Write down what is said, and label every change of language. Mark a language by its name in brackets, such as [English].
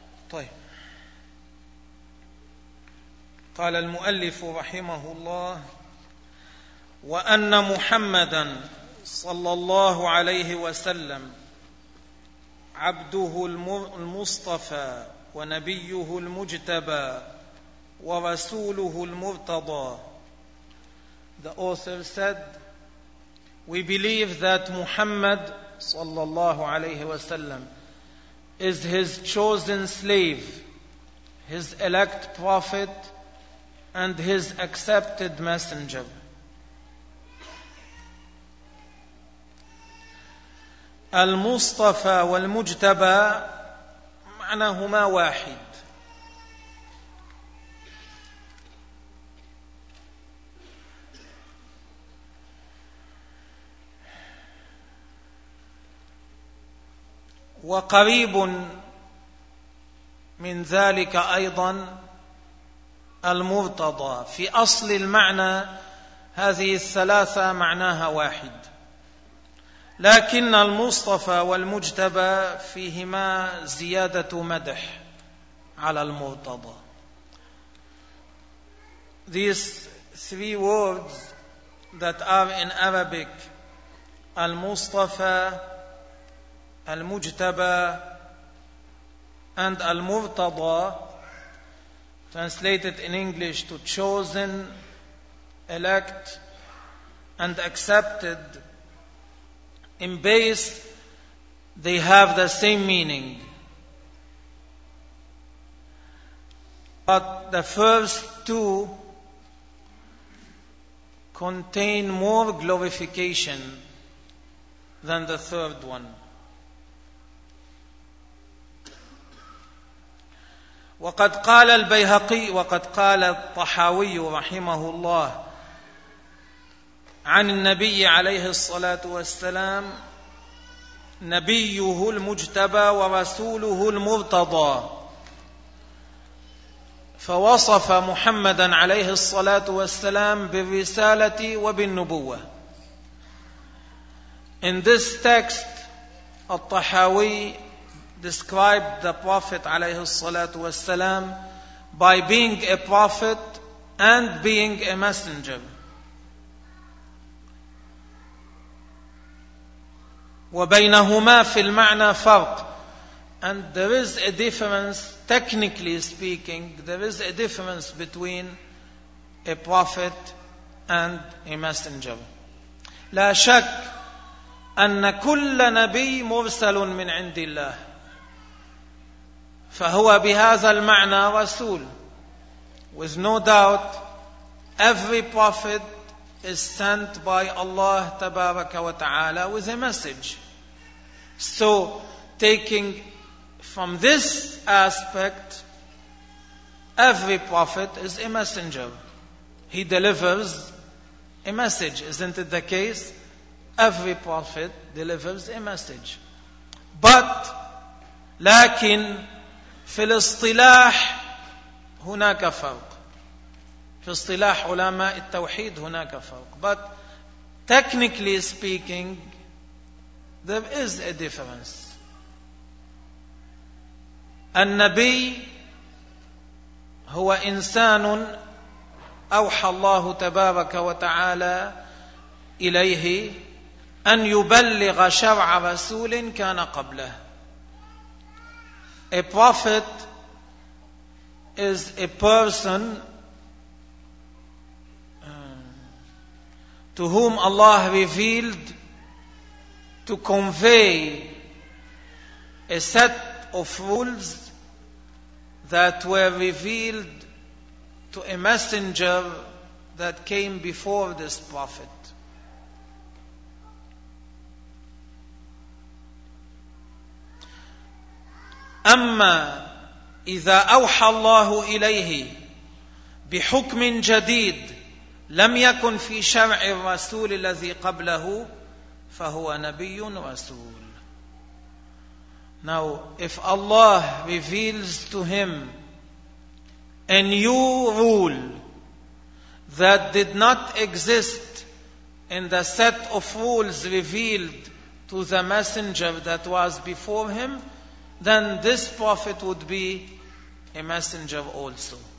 [Arabic] طيب، قال المؤلف رحمه الله: وأن محمدا صلى الله عليه وسلم عبده المصطفى ونبيه المجتبى ورسوله المرتضى. [English] The author said, we believe that Muhammad [Arabic] صلى الله عليه وسلم [English] is his chosen slave, his elect prophet, and his accepted messenger. [Arabic] المصطفى والمجتبى معناهما واحد. وقريب من ذلك أيضا المرتضى. في أصل المعنى هذه الثلاثة معناها واحد، لكن المصطفى والمجتبى فيهما زيادة مدح على المرتضى. [English] These three words that are in Arabic, المصطفى، المجتبى، and المرتضى, translated in English to chosen, elect, and accepted, in base, they have the same meaning. But the first two contain more glorification than the third one. [Arabic] وقد قال البيهقي، وقد قال الطحاوي رحمه الله عن النبي عليه الصلاة والسلام: نبيه المجتبى ورسوله المرتضى. فوصف محمدا عليه الصلاة والسلام بالرسالة وبالنبوة. [English] In this text, الطحاوي described the Prophet [Arabic] عليه الصلاة والسلام [English] by being a prophet and being a messenger. [Arabic] وبينهما في المعنى فرق. [English] And there is a difference, technically speaking, there is a difference between a prophet and a messenger. [Arabic] لا شك أن كل نبي مرسل من عند الله، فهو بهذا المعنى رسول. [English] With no doubt, every prophet is sent by Allah [Arabic] تبارك وتعالى [English] with a message. So, taking from this aspect, every prophet is a messenger. He delivers a message. Isn't it the case? Every prophet delivers a message. But [Arabic] لكن في الاصطلاح هناك فرق. في اصطلاح علماء التوحيد هناك فرق. [English] But technically speaking, there is a difference. [Arabic] النبي هو إنسان أوحى الله تبارك وتعالى إليه أن يبلغ شرع رسول كان قبله. [English] A prophet is a person to whom Allah revealed to convey a set of rules that were revealed to a messenger that came before this prophet. [Arabic] أما إذا أوحى الله إليه بحكم جديد لم يكن في شرع الرسول الذي قبله فهو نبي رسول. [English] Now if Allah reveals to him a new rule that did not exist in the set of rules revealed to the messenger that was before him, then this prophet would be a messenger also.